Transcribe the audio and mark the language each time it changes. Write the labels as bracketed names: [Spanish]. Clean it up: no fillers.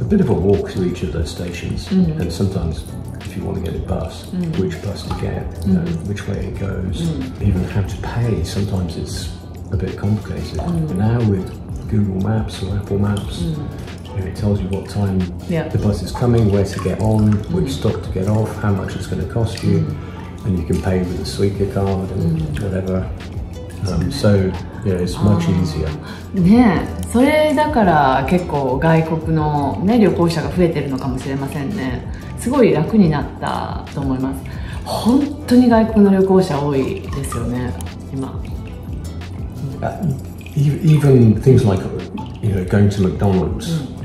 [English] A bit of a walk to each of those stations, and sometimes if you want to get a bus, which bus to get, you know, which way it goes, even how to pay, sometimes it's a bit complicated. Now with Google Maps or Apple Maps, and it tells you what time the bus is coming, where to get on, which stop to get off, how much it's going to cost you. And you can pay with a Suica card and whatever. So, yeah, it's much easier. [Japanese] ねえ、それだから結構外国のね、旅行者が増えてるのかもしれませんね。すごい楽になったと思います。本当に外国の旅行者多いですよね、今。 [English] Even things like, you know, going to McDonald's.